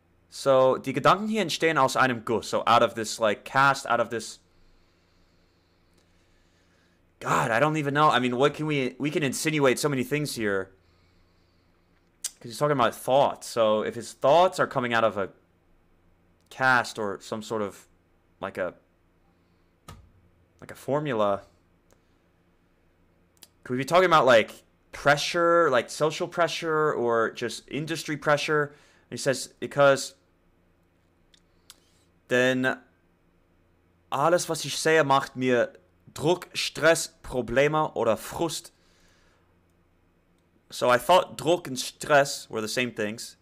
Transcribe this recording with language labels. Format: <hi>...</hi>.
<de>So, die Gedanken hier entstehen aus einem Guss.</de> <en>So, out of this, like, cast, out of this... God, I don't even know. I mean, what can we can insinuate so many things here. Because he's talking about thoughts. So, if his thoughts are coming out of a cast or some sort of, like a formula... Could we be talking about, like, pressure, like, social pressure or just industry pressure? And he says, because...</en> <de>Denn alles, was ich sehe, macht mir Druck, Stress, Probleme oder Frust.</de> <en>So I thought Druck and Stress were the same things.</en>